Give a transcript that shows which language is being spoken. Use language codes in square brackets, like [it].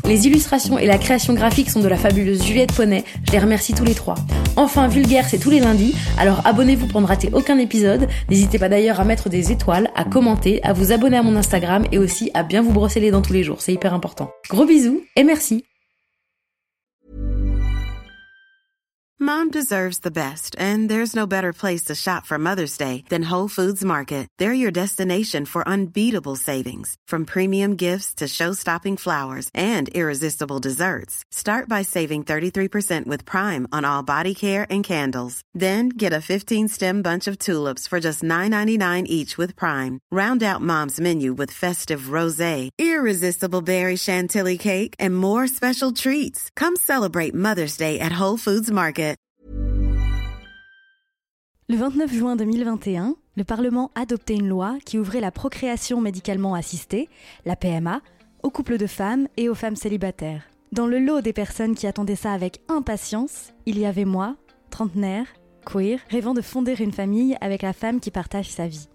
[fr] Les illustrations et la création graphique sont de la fabuleuse Juliette Poney. Je les remercie tous les trois. Enfin, Vulgaire, c'est tous les lundis. Alors abonnez-vous pour ne rater aucun épisode. N'hésitez pas d'ailleurs à mettre des étoiles, à commenter, à vous abonner à mon Instagram et aussi à bien vous brosser les dents tous les jours. C'est hyper important. Gros bisous et merci. [en] Mom deserves the best, and there's no better place to shop for Mother's Day than Whole Foods Market. They're your destination for unbeatable savings, from premium gifts to show-stopping flowers and irresistible desserts. Start by saving 33% with Prime on all body care and candles. Then get a 15-stem bunch of tulips for just $9.99 each with Prime. Round out Mom's menu with festive rosé, irresistible berry chantilly cake, and more special treats. Come celebrate Mother's Day at Whole Foods Market. [fr] Le 29 juin 2021, le Parlement adoptait une loi qui ouvrait la procréation médicalement assistée, la PMA, aux couples de femmes et aux femmes célibataires. Dans le lot des personnes qui attendaient ça avec impatience, il y avait moi, trentenaire, queer, rêvant de fonder une famille avec la femme qui partage sa vie.